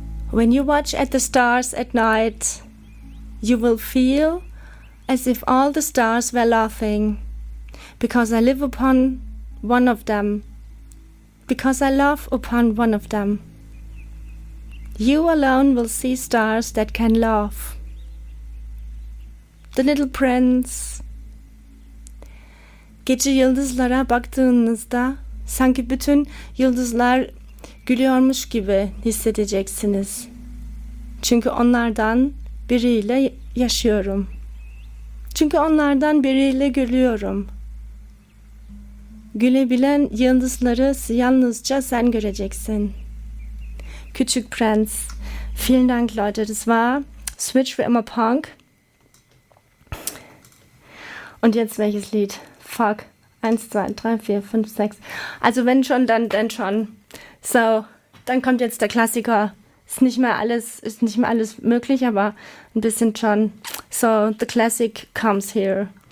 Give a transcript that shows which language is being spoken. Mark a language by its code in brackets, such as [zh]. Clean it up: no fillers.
[en] When you watch at the stars at night, you will feel as if all the stars were laughing, because I live upon one of them. Because I love upon one of them. You alone will see stars that can love. The Little Prince. [tr] Gece yıldızlara baktığınızda sanki bütün yıldızlar gülüyormuş gibi hissedeceksiniz. Çünkü onlardan biriyle yaşıyorum. Çünkü onlardan biriyle gülüyorum. Gülebilen yıldızları yalnızca sen göreceksin. Küçük Prens. [de] Vielen Dank, Leute. Das war Switch for Emma Punk. Und jetzt welches Lied? Fuck. 1, 2, 3, 4, 5, 6. Also wenn schon, dann schon. So, dann kommt jetzt der Klassiker. Ist nicht mehr alles möglich, aber ein bisschen schon. [en] So, the classic comes here.